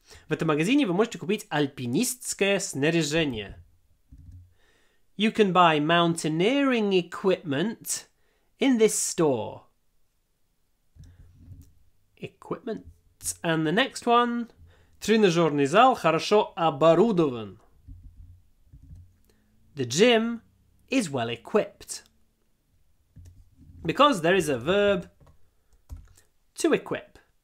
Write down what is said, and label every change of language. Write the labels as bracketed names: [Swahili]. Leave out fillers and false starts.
[Russian] В этом магазине вы можете купить альпинистское снаряжение. [English] You can buy mountaineering equipment in this store. Equipment. And the next one. [Russian] Тренажерный зал хорошо оборудован. [English] The gym is well equipped. Because there is a verb to equip.